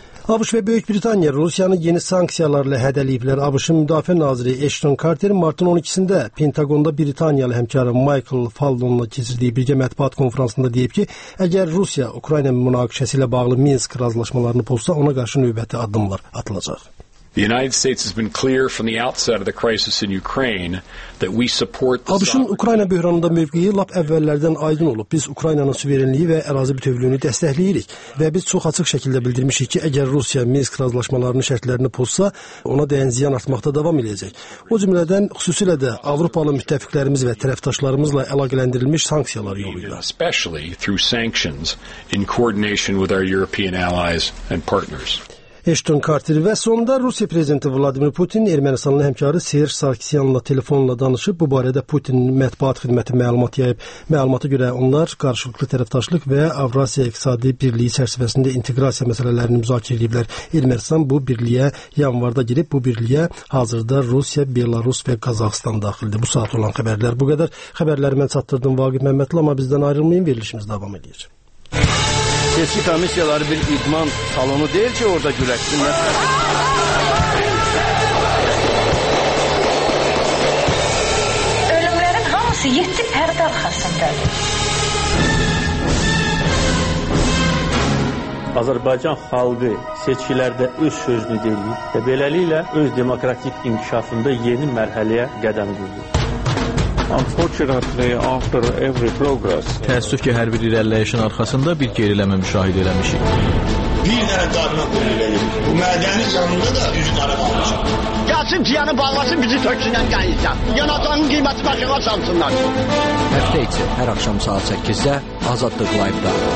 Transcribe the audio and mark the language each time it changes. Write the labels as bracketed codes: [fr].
[az] ABŞ və Böyük Britaniya Rusiyanı yeni sanksiyalarla hədələyiblər. ABŞ-ın müdafiə naziri Ashton Carter martın 12-sində Pentagonda Britaniyalı həmkarı Michael Faldonla keçirdiyi birgə mətbuat konfransında deyib ki, əgər Rusiya Ukrayna münaqişəsi ilə bağlı Minsk razılaşmalarını pozsa, ona qarşı növbəti addımlar atılacaq. [en] The United States has been clear from the outset of the crisis in Ukraine that we support the [az] ABŞ-ın Ukrayna böhranında mövqeyi lap əvvəllərdən aydın olub. Biz Ukraynanın suverenliyi və ərazi bütövlüyünü dəstəkləyirik və biz çox açıq şəkildə bildirmişik ki, əgər Rusiya Minsk razılaşmalarının şərtlərini pozsa, ona dəyən ziyan artmaqda davam edəcək. O cümlədən xüsusilə də Avropalı müttəfiqlərimiz və tərəfdaşlarımızla əlaqələndirilmiş sanksiyalar yoluyla. [en] Especially through sanctions in coordination with our European allies and partners. [az] Ashton Carter və sonda Rusiya prezidenti Vladimir Putin Ermənistanlı həmkarı Serj Sarkisyanla telefonla danışıb, bu barədə Putinin mətbuat xidməti məlumat yayıb. Məlumata görə onlar qarşılıqlı tərəfdaşlıq və Avrasiya İqtisadi Birliyi çərçivəsində inteqrasiya məsələlərini müzakirə ediblər. Ermənistan bu birliyə yanvarda girib, bu birliyə hazırda Rusiya, Belarus və Qazaxıstan daxildir. Bu saat olan xəbərlər bu qədər. Xəbərləri mən çatdırdım Vaqif Məmmədli, amma bizdən ayrılmayın, verilişimiz davam edir. Seçki komissiyaları bir idman salonu deyil ki, orada güləşsinlər. Ölümlərin hamısı 7 pərdə arxasındadır. Azərbaycan xalqı seçkilərdə öz sözünü deyib və beləliklə öz demokratik inkişafında yeni mərhələyə qədəm qoyur. [en] Unfortunately, after every progress. [az] Təəssüf ki, hər bir irəliləyişin arxasında bir geriləmə müşahidə eləmişik. Bir dənə darına qoyulayım. Bu mədənin canında da yüzlərini almışam. Gəlsin ki, yanı bağlasın, bizi töksünən qəyirsən. Yanacağının qiyməti başına çalsınlar. Həftə içi, hər axşam saat 8-də Azadlıq Live-da.